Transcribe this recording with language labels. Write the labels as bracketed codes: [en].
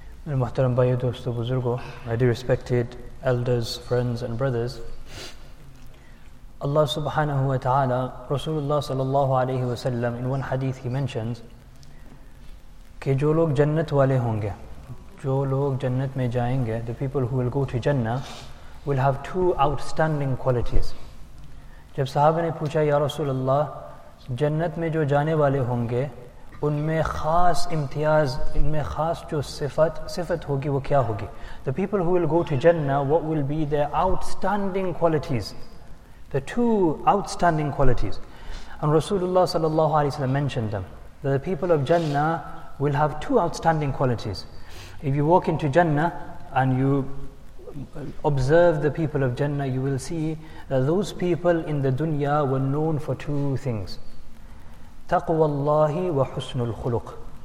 [ur] المحترم bio دوستو بزرگو، [en] my dear respected elders, friends and brothers, Allah subhanahu wa ta'ala, Rasulullah sallallahu alayhi wa sallam, in one hadith he mentions [ur] کہ جو لوگ جنت والے ہوں گے، جو لوگ جنت میں جائیں گے، [en] the people who will go to Jannah will have two outstanding qualities. [ur] جب صحابہ نے پوچھا یا رسول اللہ جنت میں جو جانے والے ہوں گے ان میں خاص امتیاز، ان میں خاص جو صفت ہوگی وہ کیا ہوگی، [en] the people who will go to Jannah, what will be their outstanding qualities, [ur] the two outstanding qualities. [en] And Rasulullah صلی اللہ علیہ وسلم mentioned them, that the people of Jannah will have two outstanding qualities. If you walk into Jannah and you observe the people of Jannah, you will see that those people in the dunya were known for two things: [ar] taqwa Allah wa husnul khuluq.